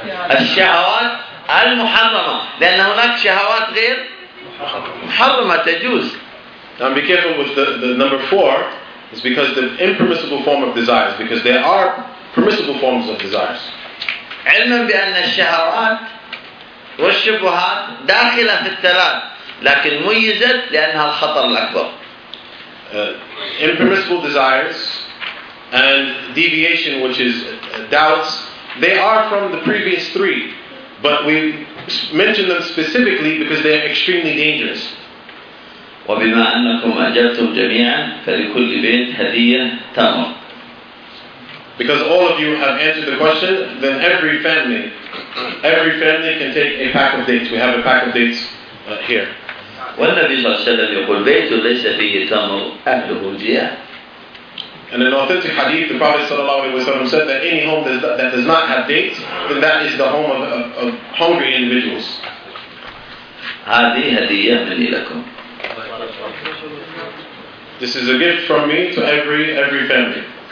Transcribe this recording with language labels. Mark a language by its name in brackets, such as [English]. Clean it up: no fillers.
[Arabic] الشهوات المحرمة لأن هناك شهوات غير محرمة تجوز. [English] Now be careful with the number four. It's because the impermissible form of desires, because there are permissible forms of desires. [Arabic] علما بأن الشهوات والشبهات داخلة في الثلاث لكن ميزت لأنها الخطر الأكبر. [English] Impermissible desires and deviation, which is doubts, they are from the previous three, but we mention them specifically because they are extremely dangerous. [Arabic] وبما أنكم أجبتم جميعا فلكل بيت هدية تمر. [English] Because all of you have answered the question, then every family can take a pack of dates. We have a pack of dates here. [Arabic] والنبي صلى الله عليه وسلم يقول بيت ليس فيه تمر أهله جياع. [English] And an authentic hadith, the Prophet sallallahu alaihi wasallam said that any home that does not have dates, then that is the home of hungry individuals. [Arabic] هذه هدية من لكم. [English] This is a gift from me to every family.